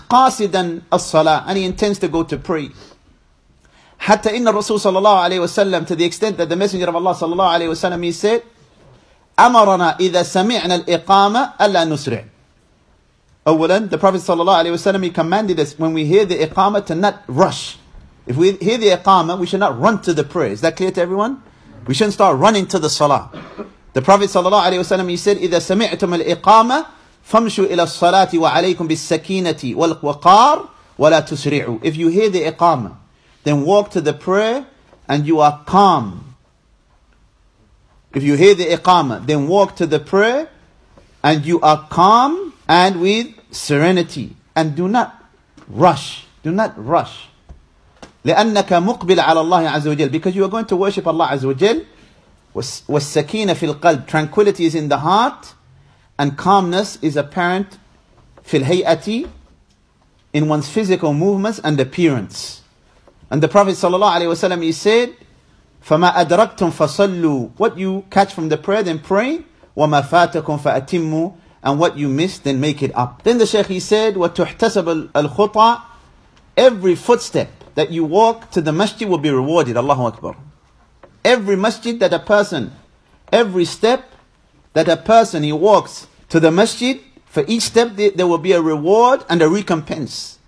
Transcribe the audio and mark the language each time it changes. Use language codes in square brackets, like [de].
[en] Qasidan as-salah, and he intends to go to pray. Hatta inna Rasul sallallahu alayhi wa sallam, to the extent that the Messenger of Allah sallallahu alayhi wa sallam, he said, [ar] أَمَرَنَا إِذَا سَمِعْنَا الْإِقَامَةَ أَلَّا نُسْرِعْ. [en] أولاً, the Prophet صلى الله عليه وسلم, he commanded us, when we hear the iqama, to not rush. If we hear the iqama, we should not run to the prayer. Is that clear to everyone? We shouldn't start running to the salah. The Prophet [ar] صلى الله عليه وسلم, [en] he said, [ar] إِذَا سَمِعْتُمَ الْإِقَامَةَ فَمْشُوا إِلَى الصَّلَاةِ وَعَلَيْكُمْ بِالسَّكِينَةِ وَالْقَارِ وَلَا تُسْرِعُوا. [en] If you hear the iqama, then walk to the prayer and you are calm. If you hear the iqama, then walk to the prayer and you are calm and with serenity. And do not rush. Do not rush. [ar] لِأَنَّكَ مُقْبِلَ عَلَى اللَّهِ عَزَّ وَجَلَّ. [en] Because you are going to worship Allah عز وجل. [ar] وَالسَّكِينَ فِي الْقَلْبِ. [en] Tranquility is in the heart and calmness is apparent [ar] فِي الْهَيْئَةِ, [en] in one's physical movements and appearance. And the Prophet صلى الله عليه وسلم, he said, [ar] فَمَا أَدْرَكْتُمْ فَصَلُّوا. [en] What you catch from the prayer, then pray. [ar] وَمَا فَاتَكُمْ فَأَتِمُّوا. [en] And what you miss, then make it up. Then the Shaykh, he said, [ar] وَتُحْتَسَبُ الْخُطَى. [en] Every footstep that you walk to the masjid will be rewarded. Allahu Akbar. Every masjid that a person, every step that a person, he walks to the masjid, for each step there will be a reward and a recompense.